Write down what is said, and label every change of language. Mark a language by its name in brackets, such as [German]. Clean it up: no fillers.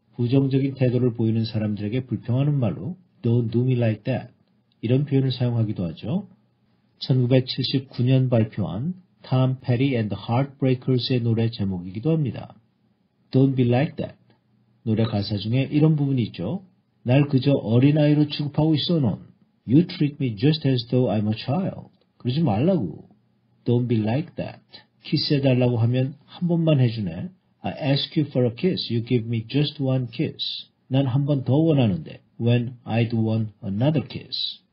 [Korean] 부정적인 태도를 보이는 사람들에게 불평하는 말로 [English] Don't do me like that [Korean] 이런 표현을 사용하기도 하죠. 1979년 발표한 Tom Petty and the Heartbreakers의 노래 제목이기도 합니다. [English] Don't be like that [Korean] 노래 가사 중에 이런 부분이 있죠. 날 그저 어린아이로 취급하고 있어 넌 [English] You treat me just as though I'm a child [Korean] 그러지 말라고. [English] Don't be like that. [Korean] 키스해달라고 하면 한 번만 해주네. [English] I ask you for a kiss. You give me just one kiss. [Korean] 난 한 번 더 원하는데. [English] When I'd want another kiss.